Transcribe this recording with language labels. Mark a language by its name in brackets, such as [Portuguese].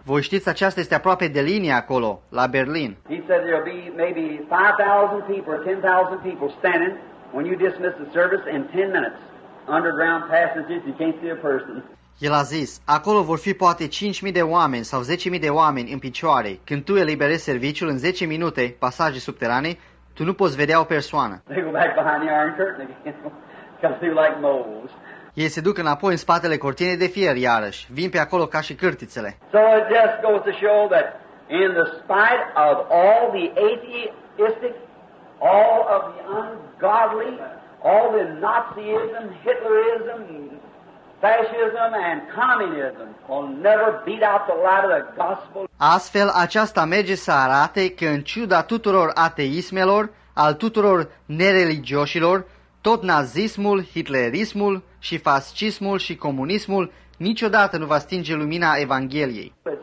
[Romanian] Voi știți, aceasta este aproape de linie acolo, la Berlin. [English] He said there'll be maybe 5,000 people or 10,000 people standing when you dismiss the service in 10 minutes. Underground passages, you can't see a person. [Romanian] El a zis, acolo vor fi poate 5,000 de oameni sau 10,000 de oameni în picioare. Când tu eliberezi serviciul în 10 minute, pasaje subterane, tu nu poți vedea o persoană. [English] They go back behind the iron curtain again. Come through like moles. [Romanian] Ei se duc înapoi în spatele cortinei de fier iarăși, vin pe acolo ca și cârtițele. [English] So it just goes to show that in the spite of all the atheistic all of the ungodly, all the Nazism, Hitlerism, fascism and communism will never beat out the light of the gospel. [Romanian] Astfel, aceasta merge să arate că în ciuda tuturor ateismelor, al tuturor nereligioșilor, tot nazismul, hitlerismul și fascismul și comunismul niciodată nu va stinge lumina Evangheliei.